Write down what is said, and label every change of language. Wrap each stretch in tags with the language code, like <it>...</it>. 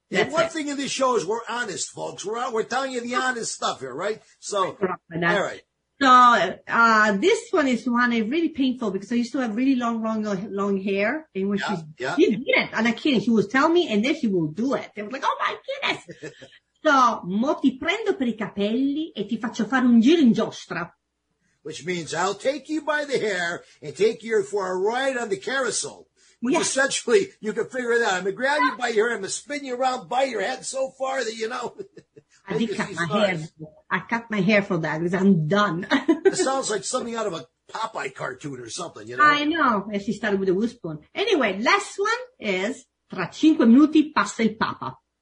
<en>And one thing in this show is we're honest, folks. We're telling you the honest stuff here, right? So, all right. So this one is one that's really painful because I used to have really long hair. And when she did it, and I'm kidding, she would tell me, and then she will do it. I was like, oh my goodness.</en> <it>So, mo ti prendo per I capelli e ti faccio fare un giro in giostra.</it> <en>Which means I'll take you by the hair and take you for a ride on the carousel. Yes. Essentially, you can figure it out. I'm going to grab you by your hair. I'm going to spin you around by your head so far that, you know. I cut my hair for that because I'm done. It sounds like something out of a Popeye cartoon or something, you know. I know. And she started with a whispering. Anyway, last one is,</en> <it>tra cinque minuti passa il Papa.</it>